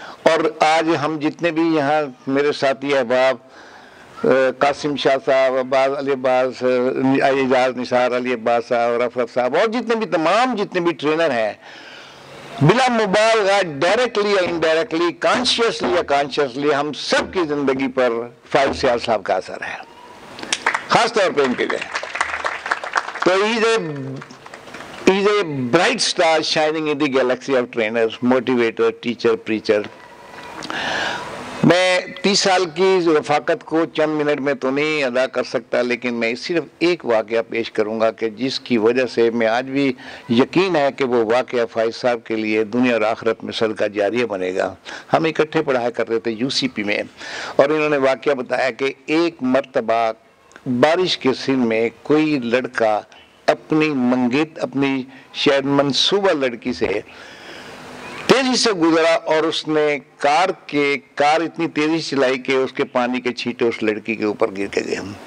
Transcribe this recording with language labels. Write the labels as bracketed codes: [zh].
[ur] اور آج ہم جتنے بھی یہاں میرے ساتھی احباب قاسم شاہ صاحب, عباس علی عباس, اعجاز نثار علی عباس صاحب, رفعت صاحب اور جتنے بھی ٹرینر ہیں, بلا مبالغہ ڈائریکٹلی یا انڈائریکٹلی, کانشیسلی یا کانشیسلی, ہم سب کی زندگی پر فائز سیال صاحب کا اثر ہے, خاص طور پہ ان کے لیے. تو [en] He's a bright star shining in the galaxy of trainers, motivator, teacher, preacher. [ur] میں 30 سال کی رفاقت کو چند منٹ میں تو نہیں ادا کر سکتا, لیکن میں صرف ایک واقعہ پیش کروں گا کہ جس کی وجہ سے میں آج بھی یقین ہے کہ وہ واقعہ فائز صاحب کے لیے دنیا اور آخرت میں صدقہ جاریہ بنے گا. ہم اکٹھے پڑھایا کرتے تھے UCP میں, اور انہوں نے واقعہ بتایا کہ ایک مرتبہ بارش کے سن میں کوئی لڑکا اپنی شاید منصوبہ لڑکی سے تیزی سے گزرا اور اس نے کار اتنی تیزی چلائی کہ اس کے پانی کے چھینٹے اس لڑکی کے اوپر گر کے گئے.